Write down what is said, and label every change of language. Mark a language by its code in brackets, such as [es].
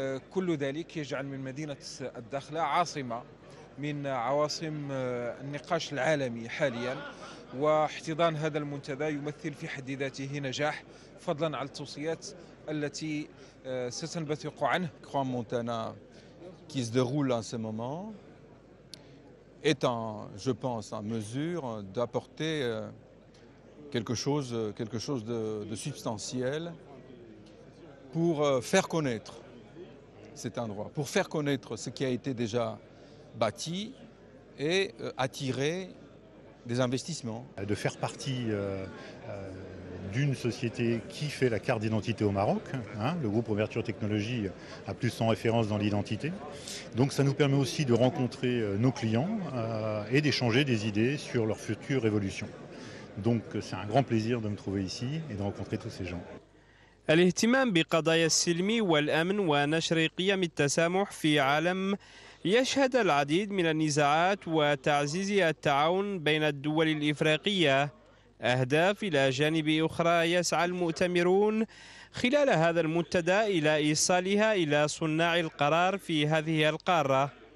[ar] كل ذلك يجعل من مدينة الداخلة عاصمة من عواصم النقاش العالمي حاليا، واحتضان هذا المنتدى يمثل في حد ذاته نجاح فضلا على التوصيات التي ستنبثق عنه. [fr] كرانس مونتانا qui se déroule en ce moment est en je pense en mesure d'apporter quelque chose de substantiel pour faire connaître cet endroit, pour faire connaître ce qui a été déjà bâti et attirer des investissements. De faire partie d'une société qui fait la carte d'identité au Maroc, hein, le groupe Ouverture Technologie a plus son référence dans l'identité. Donc ça nous permet aussi de rencontrer nos clients et d'échanger des idées sur leur future évolution. Donc c'est un grand plaisir de me trouver ici et de rencontrer tous ces gens. [ar] الاهتمام بقضايا السلم والأمن ونشر قيم التسامح في عالم يشهد العديد من النزاعات وتعزيز التعاون بين الدول الإفريقية أهداف، إلى جانب أخرى يسعى المؤتمرون خلال هذا المنتدى إلى إيصالها إلى صناع القرار في هذه القارة.